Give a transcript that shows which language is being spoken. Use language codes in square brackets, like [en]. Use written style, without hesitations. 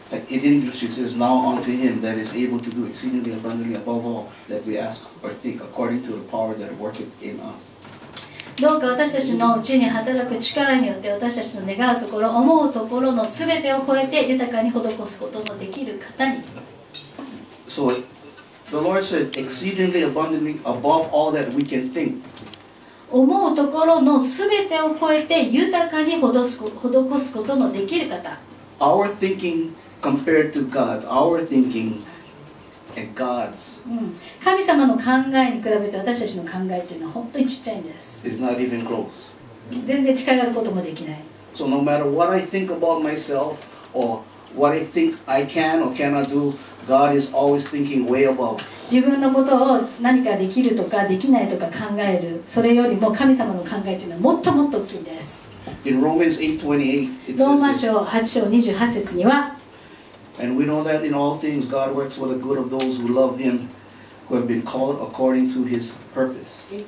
[en] In English, it says, "Now unto him that is able to do exceedingly abundantly above all that we ask or think, according to the power that worketh in us." [ja] どうか私たちのうちに働く力によって私たちの願うところ、思うところの全てを超えて豊かに施すことのできる方に。 [en] So, the Lord said, exceedingly abundantly above all that we can think. [ja] 思うところの全てを超えて豊かに施すことのできる方。 [en] Our thinking compared to God, our thinking and God's. [ja] 神様の考えに比べて私たちの考えというのは本当にちっちゃいんです。 [en] It's not even close. [ja] 全然近寄ることもできない。 [en] So no matter what I think about myself or what I think I can or cannot do, God is always thinking way above. [ja] 自分のことを何かできるとかできないとか考える、それよりも神様の考えというのはもっともっと大きいんです。 [en] In Romans 8:28, [ja] ローマ書8章28節には、 [en] And we know that in all things God works for the good of those who love Him, who have been called according to His purpose.